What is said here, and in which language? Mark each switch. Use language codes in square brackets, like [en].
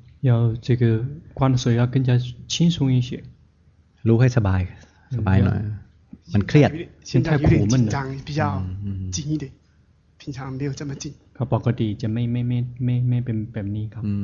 [zh] 要这个观的时候要更加轻松一些 [th] รู้ให้สบายสบายหน่อยมันเครียด [zh] 心态苦闷的比较紧一点平常没有这么紧 [th] ครับปกติจะไม่เป็นแบบนี้ครับ